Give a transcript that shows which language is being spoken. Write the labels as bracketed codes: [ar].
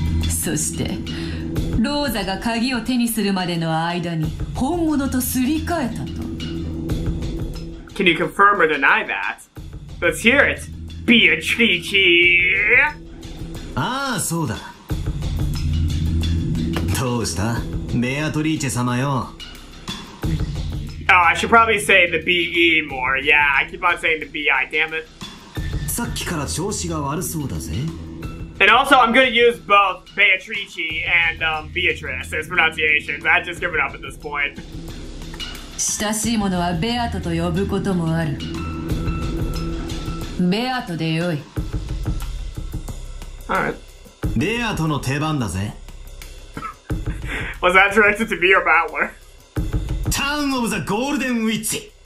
[ja] そしてローザが鍵を手にするまでの間に本物とすり替えたと。 [en] Can you confirm or deny that? Let's hear it, Beatrice! [ja] ああそうだ。どうしたベアトリーチェ様よ。 [en] Oh, I should probably say the B-E more. Yeah, I keep on saying the B-I, damn it. [ja] さっきから調子が悪そうだぜ。 [en] And also, I'm gonna use both Beatrice and Beatrice as pronunciations. I just give it up at this point. [ja] 親しい者はベアトと呼ぶこともある。ベアトでよい。 [en] Alright. [ja] ベアトの定番だぜ。 [en] Was that directed to be your battler? Town of the Golden Witch.